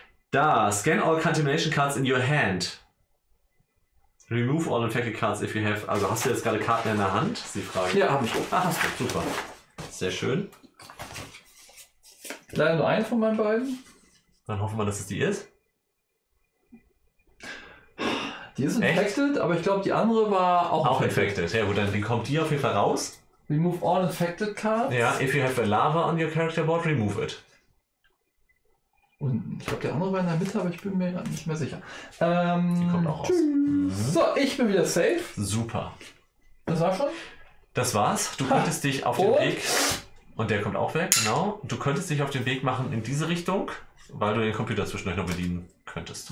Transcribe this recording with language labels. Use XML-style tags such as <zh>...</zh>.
<en>Da, scan all contamination cards in your hand. Remove all infected cards if you have.</en> <de>Also hast du jetzt gerade Karten in der Hand? Ist die Frage. Ja, habe ich. Ach, hast du. Super. Sehr schön. Leider nur eine von meinen beiden. Dann hoffen wir, dass es die ist. Die ist infected, aber ich glaube, die andere war auch. Auch infected. Ja gut, dann kommt die auf jeden Fall raus.</de> <en>Remove all infected cards. Ja, if you have a lava on your character board, remove it.</en> <de>Und ich glaube, der andere war in der Mitte, aber ich bin mir nicht mehr sicher. Die kommt auch raus. So, ich bin wieder safe. Super. Das war schon? Das war's. Du könntest dich auf den Weg... Und der kommt auch weg, genau. Du könntest dich auf den Weg machen in diese Richtung, weil du den Computer zwischendurch noch bedienen könntest.</de>